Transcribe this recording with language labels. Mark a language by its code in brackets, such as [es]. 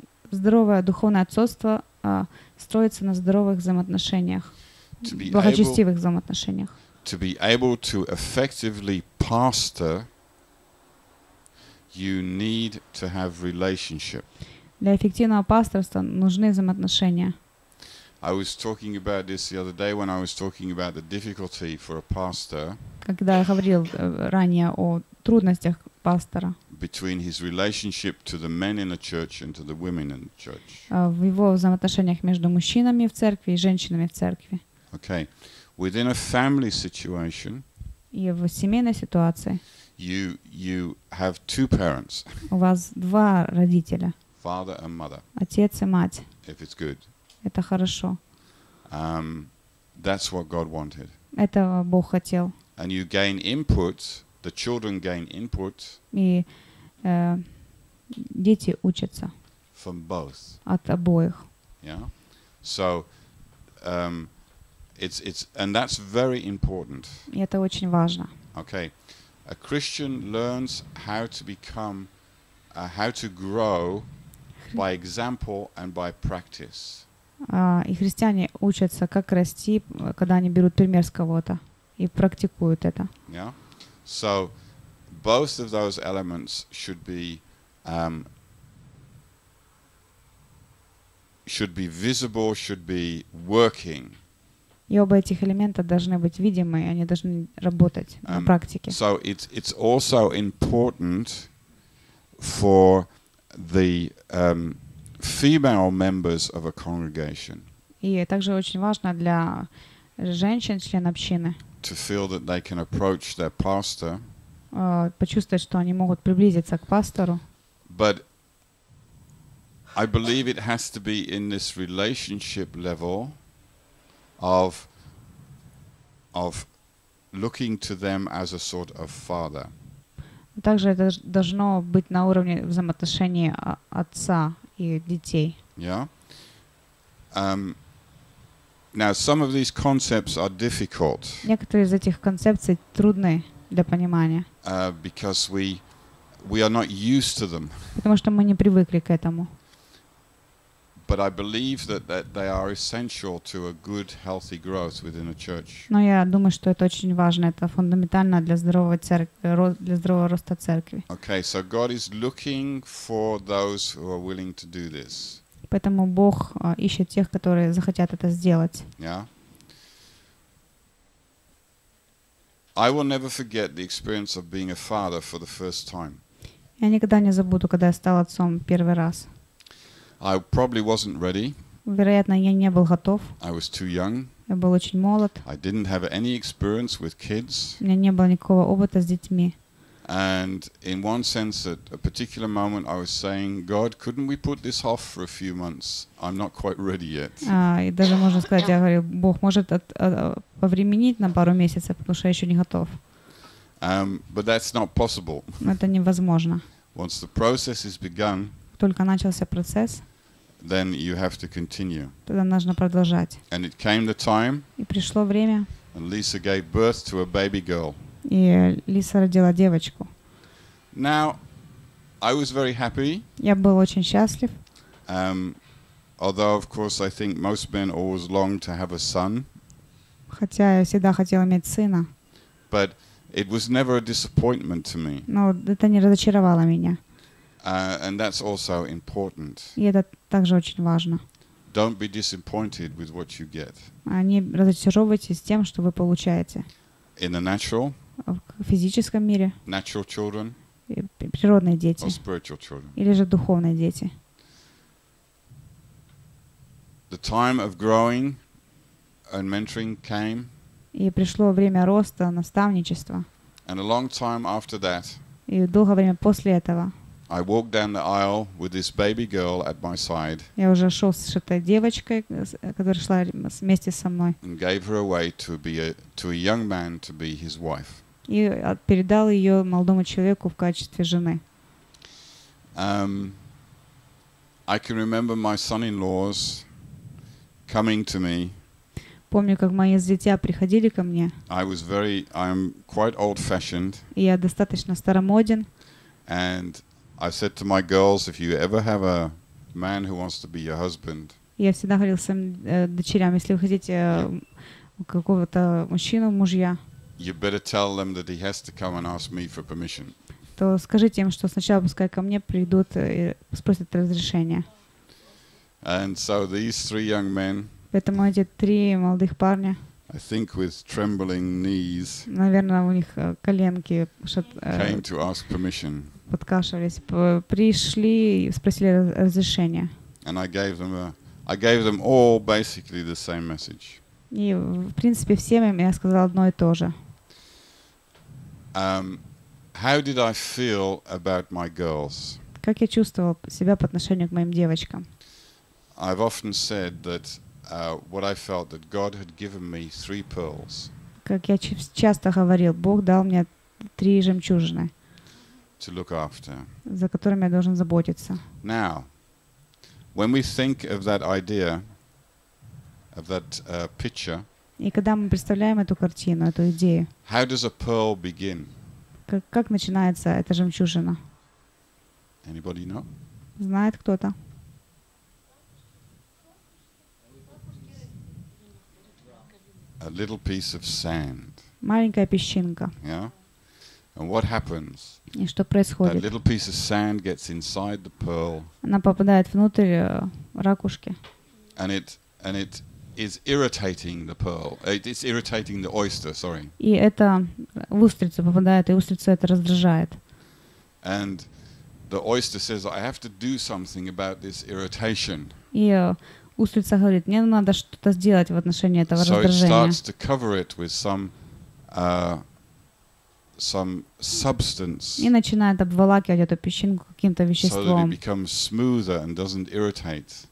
[ru] Здоровое духовное отцовство строится на здоровых взаимоотношениях, благочестивых взаимоотношениях. [en] To be able to effectively pastor, you need to have relationship. [ru] Для эффективного пасторства нужны взаимоотношения. [en] I was talking about this the other day when I was talking about the difficulty for a pastor. [ru] Когда я говорил ранее о трудностях пастора. [en] Between his relationship to the men in the church and to the women in the church. [ru] В его взаимоотношениях между мужчинами в церкви и женщинами в церкви. Okay. [en] Within a family situation. [ru] И в семейной ситуации. [en] You have two parents. [ru] У вас два родителя. [en] Father and mother. [ru] Отец и мать. [en] If it's good. [ru] Это хорошо. [en] That's what God wanted. [ru] Этого Бог хотел. [en] And you gain input, the children gain input. [ru] И дети учатся. [en] From both. [ru] От обоих. Yeah. [en] So it's and that's very important. [ru] И это очень важно. Okay. [en] A Christian learns how to become how to grow by example and by practice. [ru] И христиане учатся, как расти, когда они берут пример с кого-то и практикуют это. Yeah. [en] So both of those elements should be visible, should be working. [ru] И оба этих элемента должны быть видимы, и они должны работать на практике. [en] So it's also important for the female members of a congregation. [ru] И также очень важно для женщин член общины. [en] To feel that they can approach their pastor. [ru] Почувствовать, что они могут приблизиться к пастору. [en] But I believe it has to be in this relationship level of looking to them as a sort of father. [ru] Также это должно быть на уровне взаимоотношений отца и детей. Yeah. [en] Now some of these concepts are difficult. [ru] Некоторые из этих концепций трудны для понимания. [en] Because we are not used to them. [ru] Потому что мы не привыкли к этому. [en] But I believe that they are essential to a good healthy growth within a church. [ru] Но я думаю, что это очень важно, это фундаментально для здорового роста церкви. [en] Okay, so God is looking for those who are willing to do this. [ru] Поэтому Бог ищет тех, которые захотят это сделать. Yeah. [en] I will never forget the experience of being a father for the first time. [ru] Я никогда не забуду, когда я стал отцом первый раз. [en] I probably wasn't ready. [ru] Вероятно, я не был готов. [en] I was too young. [ru] Я был очень молод. [en] I didn't have any experience with kids. [ru] У меня не было никакого опыта с детьми. [en] And in one sense, at a particular moment, I was saying, God, couldn't we put this off for a few months? I'm not quite ready yet. [ru] И даже можно сказать, я говорил, Бог может повременить на пару месяцев, потому что я еще не готов. [en] But that's not possible. [ru] Это невозможно. [en] Once the process is begun. [ru] Только начался процесс. [en] then you have to continue. [ru] Тогда нужно продолжать. [en] And it came the time. [ru] И пришло время. [en] And Lisa gave birth to a baby girl. [ru] И Лиса родила девочку. [en] Now, I was very happy. [ru] Я был очень счастлив. [en] Although, of course, I think most men always long to have a son. [ru] Хотя я всегда хотел иметь сына. [en] But it was never a disappointment to me. [ru] Но это не разочаровало меня. [en] And that's also important. [ru] И это также очень важно. [en] Don't be disappointed with what you get. [ru] Не разочаровывайтесь тем, что вы получаете. [en] In the natural. [ru] В физическом мире. [en] Natural children. [ru] Природные дети. [en] Or spiritual children. [ru] Или же духовные дети. [en] The time of growing and mentoring came. [ru] И пришло время роста, наставничества. [en] And a long time after that. [ru] И долгое время после этого. [en] I walked down the aisle with this baby girl at my side. [ru] Я уже шел с этой девочкой, которая шла вместе со мной. [en] And gave her away to a young man to be his wife. [ru] И передал ее молодому человеку в качестве жены. [en] I can remember my son-in-laws coming to me. [ru] Помню, как мои зятья приходили ко мне. [en] I'm quite old-fashioned. [ru] И я достаточно старомоден. [en] And I said to my girls, if you ever have a man who wants to be your husband. [ru] Я всегда говорил своим дочерям, если вы хотите какого-то мужчину, мужья. [en] You better tell them that he has to come and ask me for permission. [ru] То скажите им, что сначала пускай ко мне придут и спросят разрешения. [en] And so these three young men. [ru] Поэтому эти три молодых парня. [en] I think with trembling knees. [ru] Наверное, у них коленки [en] came to ask permission. [ru] Подкашивались, пришли и спросили разрешения. [en] And I gave them all basically the same message. [ru] И в принципе всем им я сказал одно и то же. [en] How did I feel about my girls? [ru] Как я чувствовал себя по отношению к моим девочкам? [en] I've often said that what I felt that God had given me three pearls. [ru] Как я часто говорил, Бог дал мне три жемчужины. [en] To look after. [ru] За которыми я должен заботиться. [en] Now, when we think of that idea, of that picture. [ru] И когда мы представляем эту картину, эту идею. [en] How does a pearl begin? [ru] Как начинается эта жемчужина? [en] Anybody know? [ru] Знает кто-то? [en] A little piece of sand. [ru] Маленькая песчинка. [en] Yeah. And what happens? [ru] И что происходит? [en] That little piece of sand gets inside the pearl. [ru] Она попадает внутрь ракушки. [en] And it is irritating the pearl. It's irritating the oyster, sorry. [ru] И это в устрицу попадает, и устрица это раздражает. [en] And the oyster says, I have to do something about this irritation. [ru] И устрица говорит, мне надо что-то сделать в отношении этого раздражения. [en] So it starts to cover it with some substance. [ru] И начинает обволакивать эту песчинку каким-то веществом. [en] So that it becomes smoother and doesn't irritate.